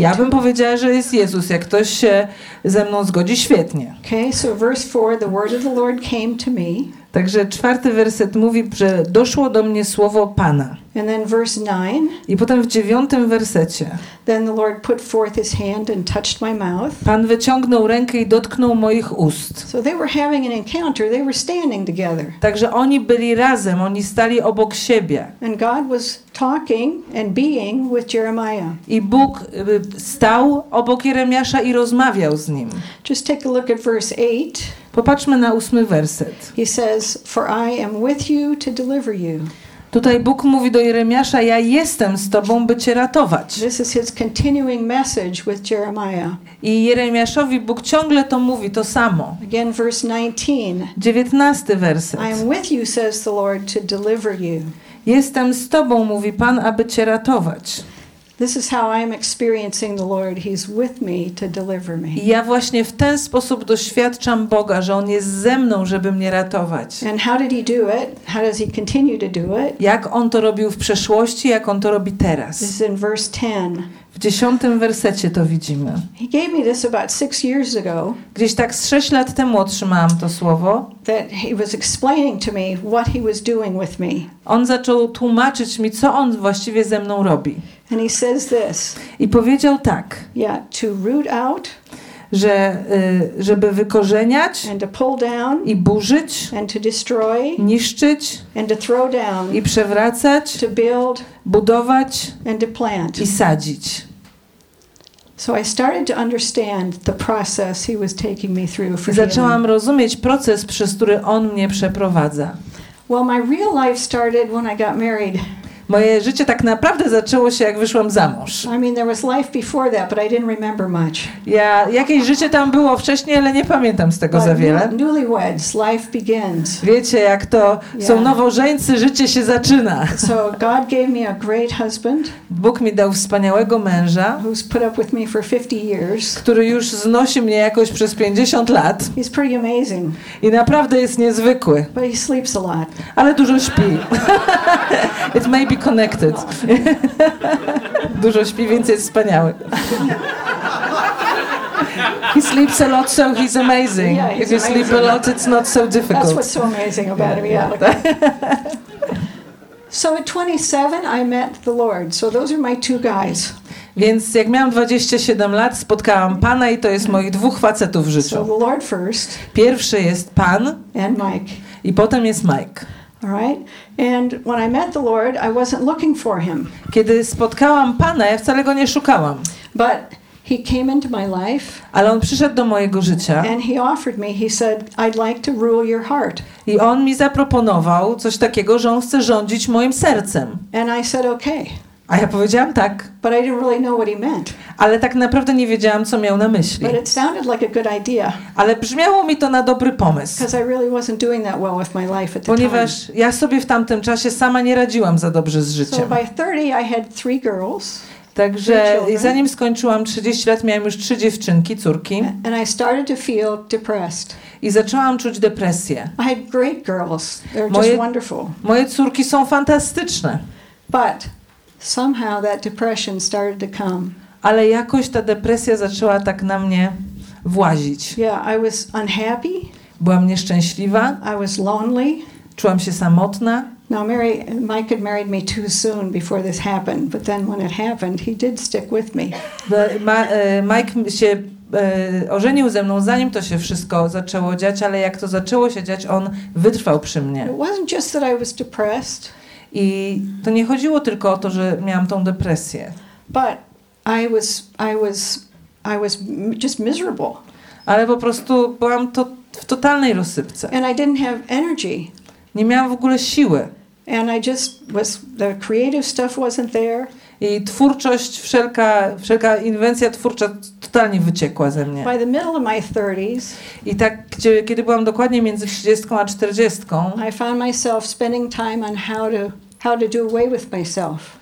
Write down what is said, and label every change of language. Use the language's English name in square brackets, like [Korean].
[Polish] Ja bym powiedziała, że jest Jezus. Jak ktoś się ze mną zgodzi, świetnie. [English] Okay, so verse 4, the word of the Lord came to me. [Polish] Także czwarty werset mówi, że doszło do mnie słowo Pana. [English] And then verse 9. [Polish] I potem w dziewiątym wersecie. [English] Then the Lord put forth his hand and touched my mouth. [Polish] Pan wyciągnął rękę i dotknął moich ust. [English] So they were having an encounter. They were standing together. [Polish] Także oni byli razem, oni stali obok siebie. [English] And God was talking and being with Jeremiah. [Polish] I Bóg stał obok Jeremiasza i rozmawiał z nim. [English] Just take a look at verse 8. [Polish] Popatrzmy na ósmy werset. [English] He says, for I am with you to deliver you. [Polish] Tutaj Bóg mówi do Jeremiasza, ja jestem z tobą, by cię ratować. [English] This is his continuing message with Jeremiah. [Polish] I Jeremiaszowi Bóg ciągle to mówi, to samo. [English] Again, verse 19. [Polish] 19 werset. [English] I am with you, says the Lord, to deliver you. [Polish] Jestem z tobą, mówi Pan, aby cię ratować. [English] This is how I'm experiencing the Lord. He's with me to deliver me. [Polish] Ja właśnie w ten sposób doświadczam Boga, że on jest ze mną, żeby mnie ratować. [English] And how did he do it? How does he continue to do it? [Polish] Jak on to robił w przeszłości, jak on to robi teraz? [English] This is in verse 10. [Polish] W 10 wersecie to widzimy. [English] He gave me this about 6 years ago. [Polish] Gdzieś tak z 6 lat temu otrzymałam to słowo. [English] That he was explaining to me what he was doing with me. [Polish] On zaczął tłumaczyć mi, co on właściwie ze mną robi. [English] And he says this. [Polish] I powiedział tak. [English] Yeah, to root out, [Polish] że żeby wykorzeniać [English] and to pull down, [Polish] i burzyć [English] and to destroy, [Polish] niszczyć [English] and to throw down, [Polish] i przewracać [English] to build, [Polish] budować [English] and to plant, [Polish] i sadzić. [English] So I started to understand the process he was taking me through for healing. [Polish] Zaczęłam rozumieć proces, przez który on mnie przeprowadza. [English] Well, my real life started when I got married. [Polish] Moje życie tak naprawdę zaczęło się, jak wyszłam za mąż. [English] I mean, there was life before that, but I didn't remember much. [Polish] Ja, jakieś życie tam było wcześniej, ale nie pamiętam z tego [English] but [Polish] za wiele. [English] Newlyweds, life begins. [Polish] Wiecie, jak to yeah. Są nowożeńcy, życie się zaczyna. [English] So God gave me a great husband, [Polish] Bóg mi dał wspaniałego męża, [English] who's put up with me for 50 years. [Polish] Który już znosi mnie jakoś przez 50 lat. [English] He's pretty amazing. [Polish] I naprawdę jest niezwykły. [English] But he sleeps a lot. [Polish] Ale dużo śpi. [English] It may be connected. [Polish] Dużo śpi, więc jest wspaniały. [English] He sleeps a lot, so he's amazing. Yeah, he's if you amazing. Sleep a lot, it's not so difficult. That's what's so amazing about him. Yeah. So at 27, I met the Lord. So those are my two guys. [Polish] Więc jak miałam 27 lat, spotkałam Pana i to jest moich dwóch facetów w życiu. [English] So the Lord first. [Polish] Pierwszy jest Pan. [English] And Mike. [Polish] I potem jest Mike. [English] All right. And when I met the Lord, I wasn't looking for him. [Polish] Kiedy spotkałam Pana, ja wcale go nie szukałam. [English] But he came into my life. [Polish] Ale on przyszedł do mojego życia. [English] And he offered me, he said, I'd like to rule your heart. [Polish] I on mi zaproponował coś takiego, że on chce rządzić moim sercem. [English] And I said, okay. [Polish] A ja powiedziałam tak. [English] But I didn't really know what he meant. [Polish] Ale tak naprawdę nie wiedziałam, co miał na myśli. [English] But it sounded like a good idea. [Polish] Ale brzmiało mi to na dobry pomysł. [English] Because I really wasn't doing that well with my life at the [Polish] ponieważ [English] time. [Polish] Ja sobie w tamtym czasie sama nie radziłam za dobrze z życiem. [English] So by 30 I had 3 girls. [Polish] Także zanim skończyłam 30 lat, miałam już 3 dziewczynki, córki. [English] And I started to feel depressed. [Polish] I zaczęłam czuć depresję. [English] I had great girls. They're just wonderful. [Polish] Moje córki są fantastyczne. [English] But somehow that depression started to come. [Polish] Ale jakoś ta depresja zaczęła tak na mnie włazić. [English] Yeah, I was unhappy. [Polish] Byłam nieszczęśliwa. [English] I was lonely. [Polish] Czułam się samotna. [English] Now Mary, Mike had married me too soon before this happened, but then when it happened, he did stick with me. [Polish] Mike się ożenił ze mną, zanim to się wszystko zaczęło dziać, ale jak to zaczęło się dziać, on wytrwał przy mnie. [English] It wasn't just that I was depressed. [Polish] I to nie chodziło tylko o to, że miałam tą depresję. [English] But I was just miserable. [Polish] Ale po prostu byłam w totalnej rozsypce. [English] And I didn't have energy. [Polish] Nie miałam w ogóle siły. [English] And I just was the creative stuff wasn't there. [Polish] I twórczość, wszelka inwencja twórcza totalnie wyciekła ze mnie. [English] By the middle of my 30s, [Polish] i tak, kiedy byłam dokładnie między 30 a 40, [English] I found myself spending time on how to do away with myself.